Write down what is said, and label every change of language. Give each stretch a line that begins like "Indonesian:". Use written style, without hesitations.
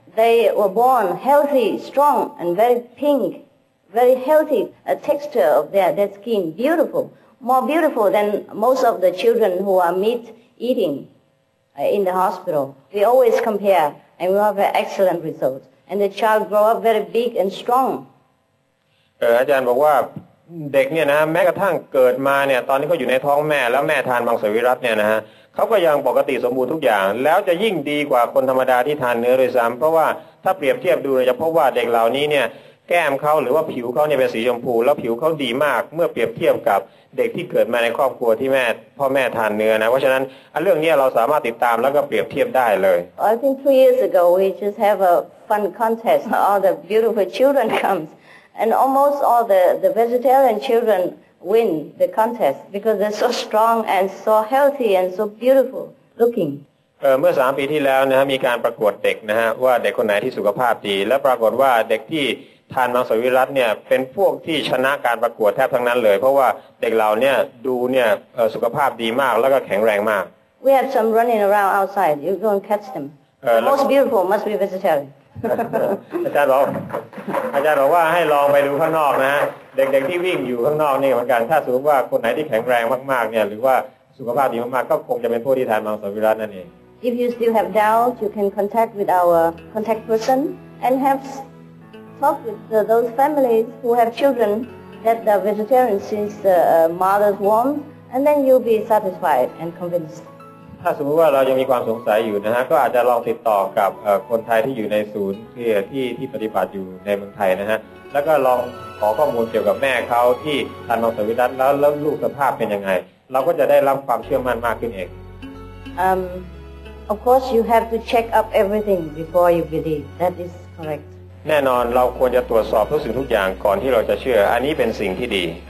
English: They were born healthy, strong, and very pink, very healthy. A texture of their skin, beautiful, more beautiful than most of the children who are meat eating in the hospital. We always compare, and we have an excellent result. And the child grow up very big and strong.
Thai: อาจารย์บอกว่าเด็กเนี่ยนะแม้กระทั่งเกิดมาเนี่ยตอนที่เขาอยู่ในท้องแม่แล้วแม่ทานมังสวิรัติเนี่ยนะฮะเขาก็ยังปกติสมบูรณ์ทุกอย่างแล้วจะยิ่งดีกว่าคนธรรมดาที่ทานเนื้อด้วยซ้ำเพราะว่าถ้าเปรียบเทียบดูจะพบว่าเด็กเหล่านี้เนี่ยแก้มเขาหรือว่าผิวเขาเนี่ยเป็นสีชมพูแล้วผิวเขาดีมากเมื่อเปรียบเทียบกับเด็กที่เกิดมาในครอบครัวที่แม่พ่อแม่ทานเนื้อนะเพราะฉะนั้นเรื่องนี้เราสามารถติดตามแล้วก็เปรียบเทียบได้เลย
English: I think 2 years ago we just have a fun contest all the beautiful children comes and almost all the vegetarian childrenwin the contest because they're so strong and so healthy and so beautiful looking
Thai: เมื่อ3ปีที่แล้วนะฮะมีการประกวดเด็กนะฮะว่าเด็กคนไหนที่สุขภาพดีและปรากฏว่าเด็กที่ทานมังสวิรัติเนี่ยเป็นพวกที่ชนะการประกวดแทบทั้งนั้นเลยเพราะว่าเด็กเราเนี่ยดูเนี่ยสุขภาพดีมากแล้วก็แข็งแรงมาก
English: We have some running around outside you don't catch them the most beautiful must be vegetarian
Thai: อาจารย์บอกว่าให้ลองไปดูข้างนอกนะเด็กๆที่วิ่งอยู่ข้างนอกนี่เหมือนกันถ้าสมมติว่าคนไหนที่แข็งแรงมากๆเนี่ยหรือว่าสุขภาพดีมากๆก็คงจะเป็นผู้ที่ทานมังสวิรัตินั่นเอง
English: If you still have doubt you can contact with our contact person and have talk with those families who have children that are vegetarian since the mother's womb and then you'll be satisfied and convinced
Thai: ถ้าสมมติว่าเรายังมีความสงสัยอยู่นะฮะก็อาจจะลองติดต่อกับคนไทยที่อยู่ในศูนย์ที่ปฏิบัติอยู่ในเมืองไทยนะฮะแล้วก็ลองขอข้อมูลเกี่ยวกับแม่เขาที่ทานมังสวิรัติแล้วลูกสภาพเป็นยังไงเราก็จะได้รับความเชื่อมั่นมากขึ้นเอง
English: Of course you have to check up everything before you believe that is correct
Thai: แน่นอนเราควรจะตรวจสอบทุกสิ่งทุกอย่างก่อนที่เราจะเชื่ออันนี้เป็นสิ่งที่ดี